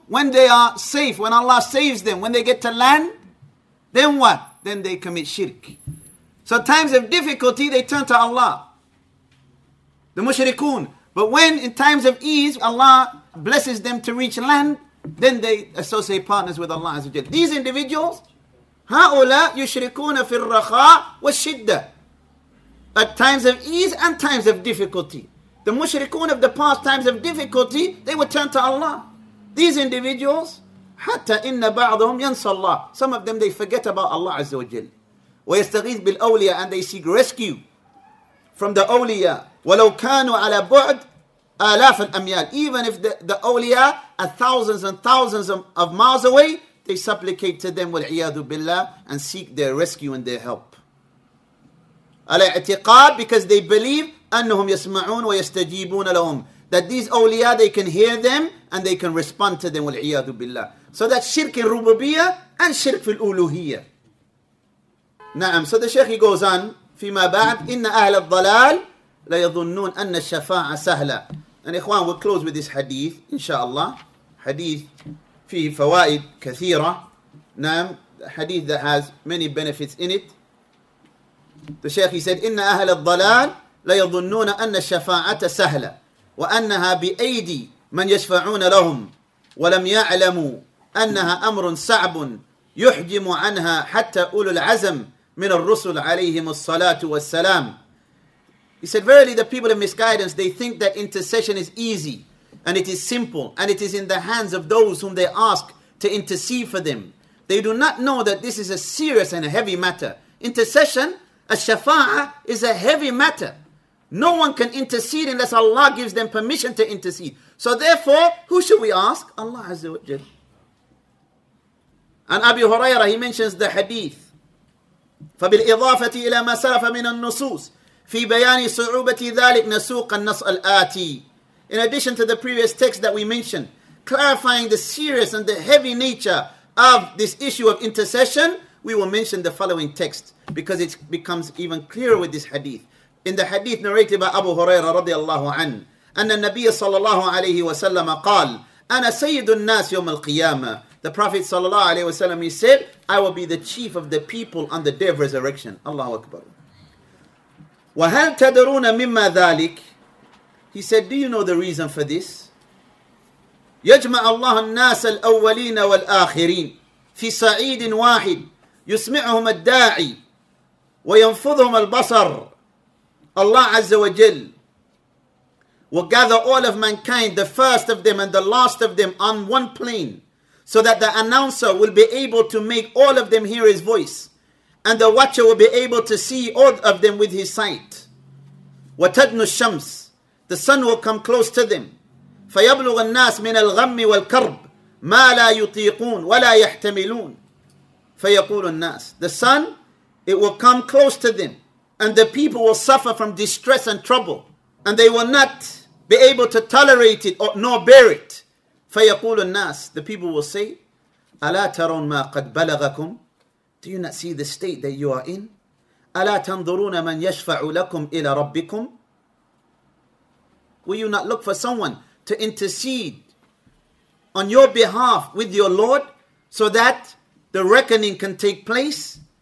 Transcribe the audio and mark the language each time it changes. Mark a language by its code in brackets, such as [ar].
[en] When they are safe, when Allah saves them, when they get to land, then what? Then they commit shirk. So times of difficulty, they turn to Allah. The mushrikun. But when in times of ease, Allah blesses them to reach land, then they associate partners with Allah Azza wa Jalla. These individuals, [ar] هَؤُلَا يُشْرِكُونَ فِي الرَّخَاء وَالشِّدَّةِ. [en] At times of ease and times of difficulty. The mushrikun of the past times of difficulty, they would turn to Allah. These individuals, [ar] حَتَّى إِنَّ بَعْضَهُمْ يَنْسَى اللَّهِ. [en] Some of them, they forget about Allah Azza wa Jalla. [ar] وَيَسْتَغِيثْ بِالْأَوْلِيَا, [en] and they seek rescue from the awliya. [ar] وَلَوْ كَانُوا عَلَى بُعْد أَلَافَ الْأَمْيَالِ. [en] Even if the awliya are thousands and thousands of miles away, they supplicate to them, [ar] وَالْعِيَاذُ بِاللَّهِ, [en] and seek their rescue and their help. [ar] عَلَى اعْتِقَاد, [en] because they believe, [ar] أَنُّهُمْ يَسْمَعُونَ وَيَسْتَجِيبُونَ لَهُمْ, [en] that these awliya, they can hear them and they can respond to them, [ar] وَالْعِيَاذُ بِاللَّهِ. [en] So that shirk in rububiyya and shirk fil uluhiyya. نعم. So the Shaykh, he goes on, [ar] فيما بعد, إِنَّ أَهْلَ الضَّلَالِ لَيَظُنُّونَ أَنَّ الشَّفَاعَ سَهْلًا. [en] And ikhwan, we'll close with this hadith, inshaAllah. [ar] Hadith, فيه فوائد كثيرة. نعم. [en] Hadith that has many benefits in it. The Shaykh, he said, [ar] إِنَّ أَهْلَ الضَّلَالِ لَيَظُنُّونَ أَنَّ الشَّفَاعَةَ سَهْلًا وَأَنَّهَا بِأَيْدِي مَنْ يَشْفَعُونَ لَهُمْ وَلَمْ يَعْلَمُوا أَنَّهَا أَمْرٌ صَعْبٌ يُحْجِمُ عَنْهَا حَتَّى أُولُو الْعَزَمِ مِنَ الرُّسُلِ عَلَيْهِمُ الصَّلَاةُ وَالسَّلَامُ. [en] He said, verily the people of misguidance, they think that intercession is easy and it is simple and it is in the hands of those whom they ask to intercede for them. They do not know that this is a serious and a heavy matter. Intercession, a shafa'ah, is a heavy matter. No one can intercede unless Allah gives them permission to intercede. So therefore, who should we ask? Allah Azza wa Jal. And Abu Hurairah, he mentions the hadith. [ar] فَبِالْإِضَافَةِ إِلَى مَا سَلَفَ مِنَ النُّصُوصِ في بيان صعوبة ذلك نسوق النص الآتي. [en] In addition to the previous text that we mentioned, clarifying the serious and the heavy nature of this issue of intercession, we will mention the following text because it becomes even clearer with this hadith. In the hadith narrated by Abu Huraira [ar] رضي الله عنه, أن النبي صلى الله عليه وسلم قال أنا سيد الناس يوم القيامة. [en] The Prophet [ar] صلى الله عليه وسلم, [en] he said, I will be the chief of the people on the day of resurrection. Allah Akbar. [ar] وَهَلْ تَدَرُونَ مِمَّا ذَلِكَ. [en] He said, do you know the reason for this? [ar] يَجْمَعَ اللَّهُ النَّاسَ الْأَوَّلِينَ وَالْآخِرِينَ فِي سَعِيدٍ وَاحِدٍ يُسْمِعُهُمَ الدَّاعِي وَيَنْفُضُهُمَ الْبَصَرِ. [en] Allah Azza wa Jal will gather all of mankind, the first of them and the last of them, on one plane, so that the announcer will be able to make all of them hear his voice. And the watcher will be able to see all of them with his sight. [ar] وَتَدْنُ الشَّمْسِ. [en] The sun will come close to them. [ar] فَيَبْلُغَ النَّاسِ مِنَ الْغَمِّ وَالْكَرْبِ مَا لَا يُطِيقُونَ وَلَا يَحْتَمِلُونَ. فَيَقُولُ النَّاسِ. [en] The sun, it will come close to them. And the people will suffer from distress and trouble. And they will not be able to tolerate it nor bear it. [ar] فَيَقُولُ النَّاسِ. [en] The people will say, [ar] أَلَا تَرَوْنَ مَا قَدْ بَلَغَكُمْ. [en] Do you not see the state that you are in? [ar] أَلَا تَنْظُرُونَ مَنْ يَشْفَعُ لَكُمْ إِلَى رَبِّكُمْ. [en] Will you not look for someone to intercede on your behalf with your Lord so that the reckoning can take place?